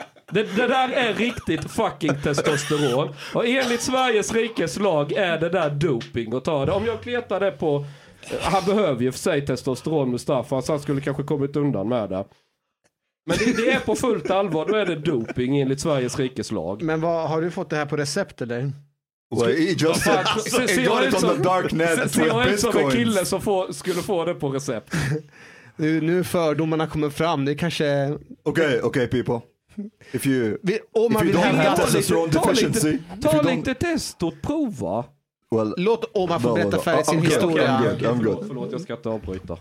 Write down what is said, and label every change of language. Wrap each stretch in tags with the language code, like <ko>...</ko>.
<sv>Det där är riktigt fucking testosteron. Och enligt Sveriges rikes lag är det där doping att ta det. Om jag kletar det på... Han behöver ju för sig testosteron, Mustafa. Så han skulle kanske kommit undan med det. Men det är på fullt allvar. Då är det doping enligt Sveriges rikes lag. Men vad har du fått det här på recept eller...</sv> <en>Well, he just said, he got it on the dark net with bitcoins.</en> <sv>Som en kille som skulle få det på recept. Nu fördomarna kommer fram, det kanske...</sv> <en>Okej, people. If you don't have testosterone deficiency...</en> <sv>Ta lite test och prova. Well, låt Omar få berätta färdigt sin historia.</sv> <en>Okay, I'm good.</en> <sv>Förlåt, jag ska inte avbryta.</sv>